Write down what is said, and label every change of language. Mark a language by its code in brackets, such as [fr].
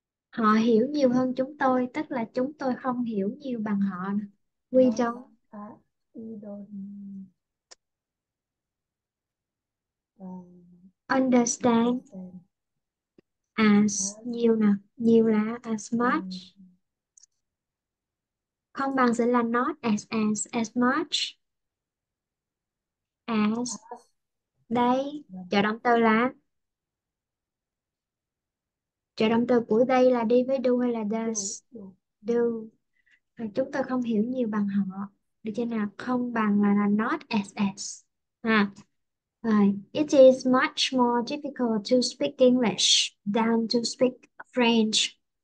[vi] Họ hiểu nhiều hơn chúng tôi, tức là chúng tôi không hiểu nhiều bằng họ. [en] We don't. Understand as [vi] nhiều nào. Nhiều là as much. Không bằng sẽ là [en] not as much as they. [vi] Chợ động từ là, chợ động từ của they là đi với do hay là does? Do. Và chúng tôi không hiểu nhiều bằng họ. Được chưa nào? Không bằng là not as as. [en] It is much more difficult to speak English than to speak French.